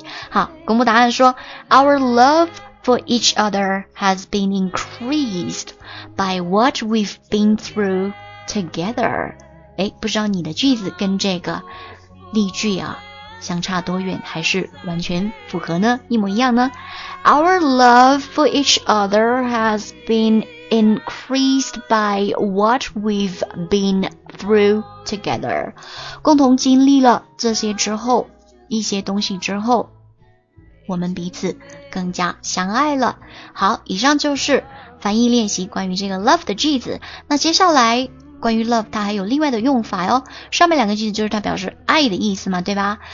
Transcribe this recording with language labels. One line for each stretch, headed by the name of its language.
Chinese: 好，公布答案说
English: Our love for each other has been increased by what we've been through together.
Chinese: 诶，不知道你的句子跟这个例句啊相差多远，还是完全符合呢，一模一样呢？
English: Our love for each other has been increased by what we've been through together.
Chinese: 共同经历了这些之后，一些东西之后，我们彼此更加相爱了。好，以上就是翻译练习关于这个 love 的句子。那接下来关于 love 它还有另外的用法哟。上面两个句子就是它表示爱的意思嘛，对吧？